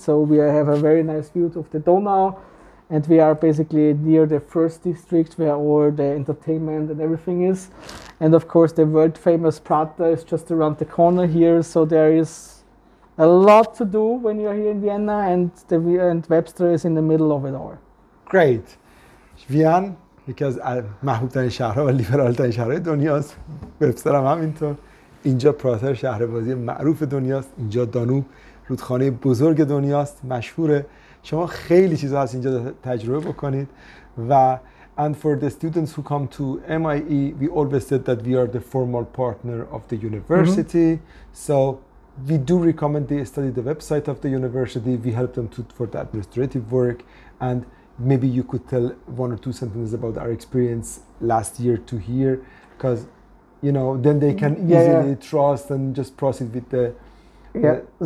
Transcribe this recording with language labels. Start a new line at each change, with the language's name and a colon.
English: So we have a very nice view of the Donau. And we are basically near the first district, where all the entertainment and everything is. And of course, the world famous Prater is just around the corner here. So there is a lot to do when you're here in Vienna. And Webster is in the middle of it all. Great. Vienna.
Persian: یکی از محبوب ترین شهرها و لیبرال ترین شهرهای دنیاست. وبستر هم همینطور. اینجا پراتر شهر بازی معروف دنیاست. اینجا دانوب رودخانه بزرگ دنیاست، مشهوره. شما خیلی چیزا هست اینجا تجربه بکنید.
English: و and for the students who come to MIE, we always said that we are the formal partner of the university. So we do recommend they study the website of the university. We help them for the administrative work. And maybe you could tell one or two sentences about our experience last year to here, because you know then they can easily trust and just proceed with the